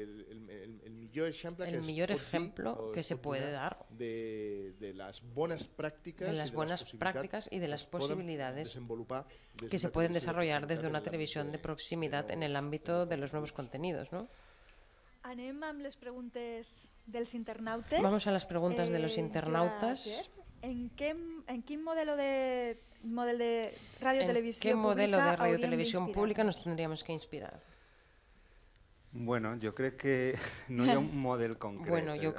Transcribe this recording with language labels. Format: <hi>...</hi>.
<es>El mejor ejemplo que se puede dar de las buenas prácticas, y de las posibilidades que se pueden desarrollar desde una televisión de proximidad en el ámbito de los nuevos contenidos, ¿no?</es> <ca>Anem amb les preguntes dels internautes.</ca> <es>Vamos a las preguntas de los internautas.</es> <ca>En quin model de radio televisió pública?</ca> <es>¿En qué modelo de radio televisió pública nos tendríamos que inspirar? Bueno, yo creo que no hay un modelo concreto.</es>